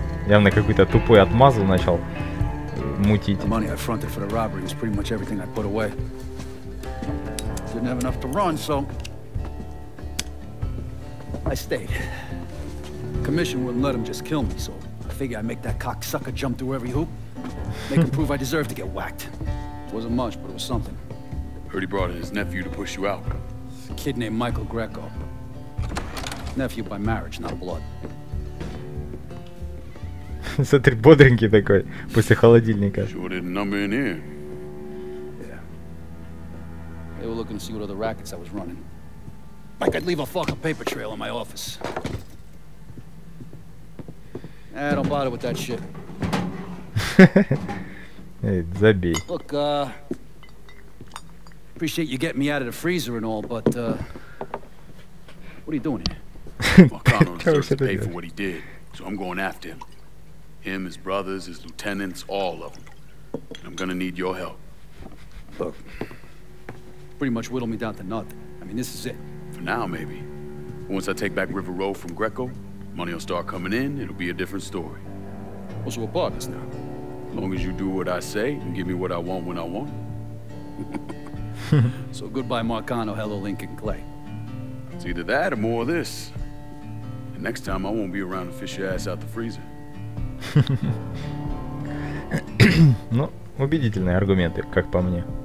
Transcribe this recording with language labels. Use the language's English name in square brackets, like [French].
[Russian] Явно какой-то тупой отмазал начал мутить. [English] The money I fronted for the robbery was pretty much everything I put away. Didn't have enough to run, so I stayed. Commission wouldn't let him just kill me, so I figure I'd make that cocksucker jump through every hoop. Make him prove I deserve to get whacked. Wasn't much, but it was something. Heard he brought in his nephew to push you out. A kid named Michael Greco. Nephew by marriage, not blood. [Russian] Смотри, бодренький такой, после холодильника. [English] Sure didn't number in here. Yeah. They were looking to see what other rackets I was running. Like I'd leave a fucking paper trail in my office. Eh, don't bother with that shit. Hey, Zabi. Look, appreciate you getting me out of the freezer and all, but what are you doing here? McConnell deserves to pay for what he did, so I'm going after him. Him, his brothers, his lieutenants, all of them. And I'm gonna need your help. Look, pretty much whittle me down to nothing. I mean, this is it. For now, maybe. Once I take back River Road from Greco, money will start coming in, it'll be a different story. Also, we're partners now. As long as you do what I say and give me what I want when I want. So goodbye, Marcano, hello, Lincoln Clay. It's either that or more of this. And next time, I won't be around to fish your ass out the freezer. [Russian] Ну, убедительные аргументы, как по мне.